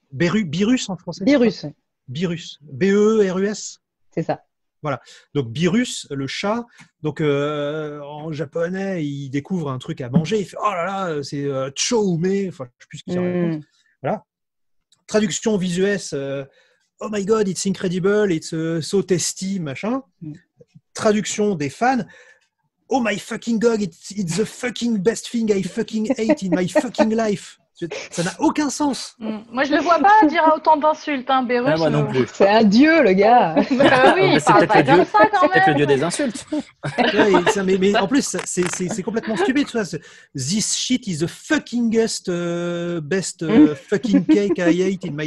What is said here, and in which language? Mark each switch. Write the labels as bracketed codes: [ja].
[fr] Beerus en français. Beerus. Beerus. B-E-E-R-U-S. C'est ça. Voilà. Donc Beerus, le chat. Donc en japonais, il découvre un truc à manger. Il fait oh là là, c'est Chōume. Enfin, je sais plus ce qu'il raconte. Voilà. Traduction visuelle. [en] Oh my god, it's incredible, it's so tasty, machin. [fr] Traduction des fans. [en] Oh my fucking god, it's the fucking best thing I fucking ate in my fucking life. [fr] Ça n'a aucun sens. Moi, je ne le vois pas dire autant d'insultes, hein, Beerus. Ah, moi non plus. C'est un dieu, le gars. C'est peut-être le dieu des insultes. Ouais, mais en plus, c'est complètement stupide. Tu vois. [en] This shit is the fuckingest best fucking cake I ate in my